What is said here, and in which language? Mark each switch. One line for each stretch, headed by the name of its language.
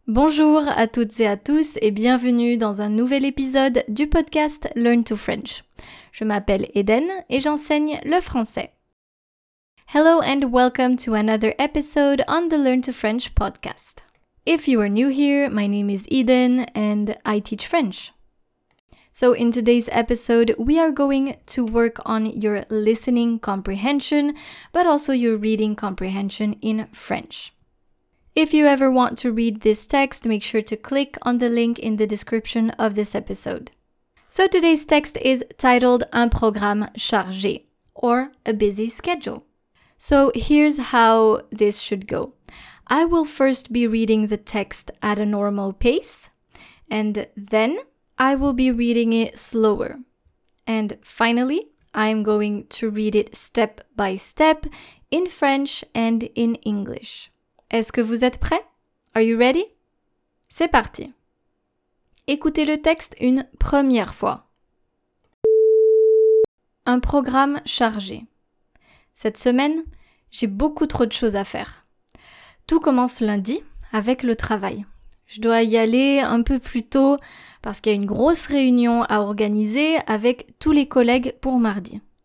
French: Bonjour à toutes et à tous et bienvenue dans un nouvel épisode du podcast Learn to French. Je m'appelle Eden et j'enseigne le français.
English: Hello and welcome to another episode on the Learn to French podcast. If you are new here, my name is Eden and I teach French. So in today's episode, we are going to work on your listening comprehension, but also your reading comprehension in French. If you ever want to read this text, make sure to click on the link in the description of this episode. So today's text is titled
French: Un programme chargé,
English: or a busy schedule. So here's how this should go. I will first be reading the text at a normal pace, and then I will be reading it slower. And finally, I'm going to read it step by step in French and in English.
French: Est-ce que vous êtes prêts?
English: Are you ready?
French: C'est parti! Écoutez le texte une première fois. Un programme chargé. Cette semaine, j'ai beaucoup trop de choses à faire. Tout commence lundi avec le travail. Je dois y aller un peu plus tôt parce qu'il y a une grosse réunion à organiser avec tous les collègues pour mardi.